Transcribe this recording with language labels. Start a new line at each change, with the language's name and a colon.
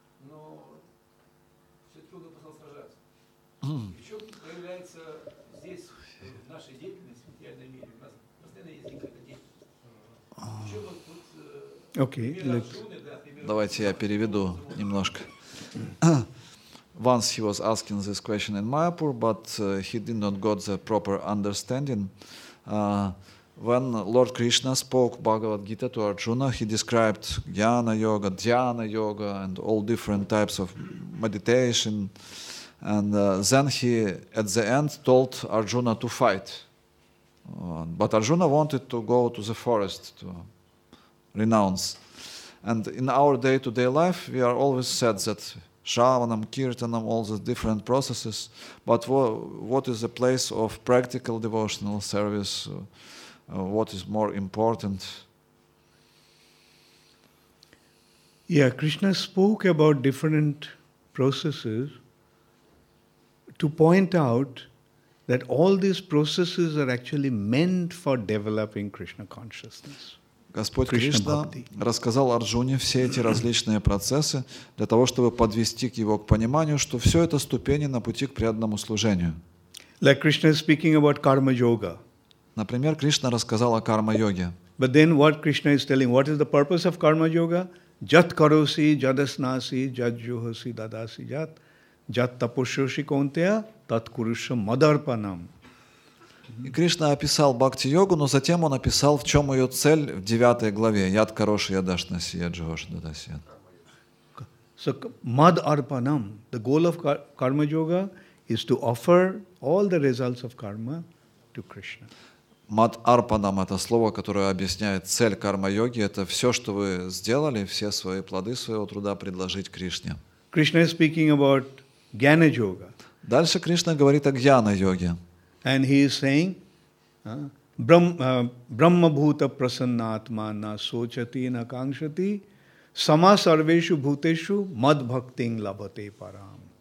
Russian: Но все-таки он послал сражаться. И в чем проявляется здесь, в нашей деятельности, в материальном мире? У нас постоянно есть какая-то деятельность. В чем вот тут.
English: Okay,
Russian: давайте я переведу немножко.
English: Once he was asking this question in Mayapur, but he did not got the proper understanding. When Lord Krishna spoke Bhagavad Gita to Arjuna, he described jnana yoga, dhyana yoga, and all different types of meditation. And then he, at the end, told Arjuna to fight. But Arjuna wanted to go to the forest to renounce. And in our day-to-day life, we are always said that shravanam, kirtanam, all the different processes, but what is the place of practical devotional service? What is more important? Yeah, Krishna spoke about different processes to point out that all these processes are actually meant for developing Krishna consciousness.
Russian: Господь Кришна рассказал Арджуне все эти различные процессы для того, чтобы подвести к его к пониманию, что все это ступени на пути к преданному служению.
English: Like Krishna is speaking about karma yoga.
Russian: Например, Кришна рассказал о карма-йоге.
English: But then what Krishna is telling, what is the purpose of karma yoga?
Sanskrit: Jat karosi, jadasnasi, jadjuhasi, dadasi, jat, jat tapushyoshi konteya, tat kurusha madarpanam.
Russian: И Кришна описал бхакти-йогу, но затем он описал, в чем ее цель в 9 главе. Яд хороший, яд аш наси, яд джигош, яд аш яд.
English: So, mad arpanam. The goal of karma yoga is to offer all the results of karma to Krishna.
Russian: Mad arpanam – это слово, которое объясняет цель карма-йоги. Это все, что вы сделали, все свои плоды своего труда предложить Кришне.
English: Krishna is speaking about jnana yoga.
Russian: Дальше Кришна говорит о гьяна-йоге.
English: And he is saying,
Sanskrit: Brahma bhuta prasannatma na sochati na kangshati sama sarveshu bhuteshu mad bhaktiṃ labhate param.